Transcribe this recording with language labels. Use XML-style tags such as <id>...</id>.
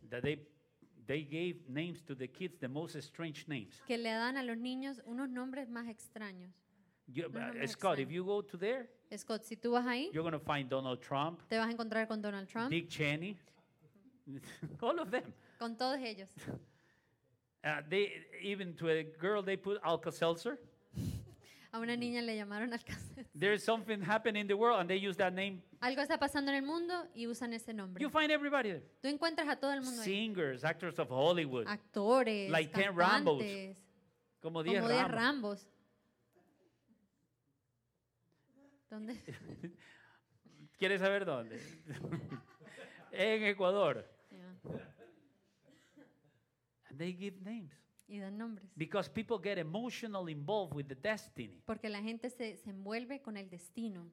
<en>That they gave names to the kids the most strange names.</en> <es>Que le dan a los niños unos nombres más extraños.</es> <en>Scott, if you go to there,</en> <es>Scott, si tú vas ahí,</es> <en>you're going to find Donald Trump.</en> <es>Te vas a encontrar con Donald Trump.</es> <en>Dick Cheney. All of them.</en> <es>Con todos ellos.</es> <en>They even to a girl they put Alka-Seltzer.</en> <es>A una niña le llamaron Alka-Seltzer.</es> <en>There is something happening in the world and they use that name.</en> <es>Algo está pasando en el mundo y usan ese nombre.</es> <en>You find everybody.</en> <es>Tú encuentras a todo el mundo.</es> <en>Singers, actors of Hollywood.</en> <es>Actores,</es> <en>like</en> <es>cantantes.</es> <en>Ten Rambos.</en> <es>Como 10 Rambos. ¿Dónde? ¿Quieres saber dónde? En Ecuador. Yeah.</es> <en>And they give names.</en> <es>Y dan nombres.</es> <en>Because people get emotional involved with the destiny.</en> <es>Porque la gente se envuelve con el destino.</es>